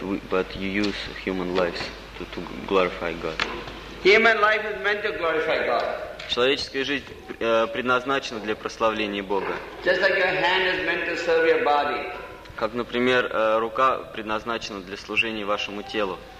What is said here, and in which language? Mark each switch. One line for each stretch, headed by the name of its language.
English: But you use human lives to glorify God. Human life is meant to glorify God.
Russian: Человеческая жизнь предназначена для прославления Бога.
English: Just like your hand is meant to serve your body.
Russian: Как, например, рука предназначена для служения вашему телу.